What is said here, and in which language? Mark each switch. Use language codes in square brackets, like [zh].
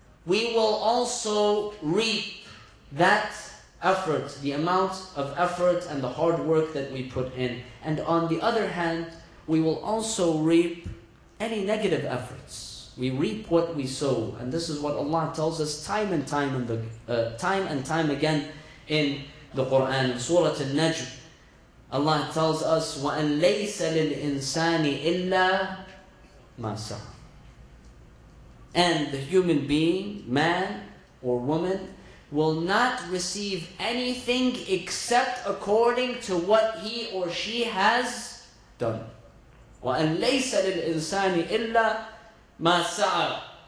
[en] we will also reap that effort, the amount of effort and the hard work that we put in. And on the other hand, we will also reap any negative efforts. We reap what we sow. And this is what Allah tells us time and time, in the, time, and time again in the Quran, in Surah Al-Najm. Allah tells us, [ar] وَأَن لَيْسَ لِلْإِنسَانِ إِلَّا مَا سَعَى. [en] And the human being, man or woman, will not receive anything except according to what he or she has done. [ar] وَأَن لَيْسَ لِلْإِنسَانِ إِلَّا مَا سَعَى.